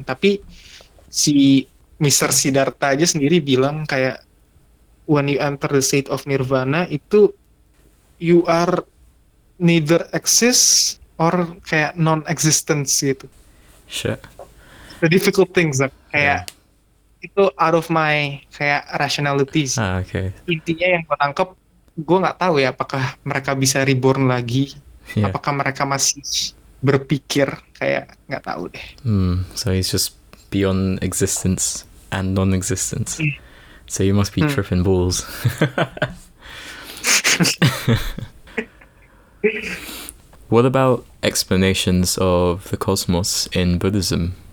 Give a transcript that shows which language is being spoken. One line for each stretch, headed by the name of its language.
Indonesian: Tapi si Mr. Siddhartha aja sendiri bilang kayak,
English: when you enter the state of nirvana, itu you are neither exist or kayak non-existence gitu. Shit. The difficult things that, kayak itu out of my kayak rationalities. Ah, okay.
Indonesian: Intinya yang gue tangkep, gue nggak tahu ya apakah mereka bisa reborn lagi, apakah mereka masih berpikir, kayak nggak tahu deh.
English: So it's just beyond existence and non-existence. Mm. So you must be tripping balls. What about explanations of the cosmos in Buddhism?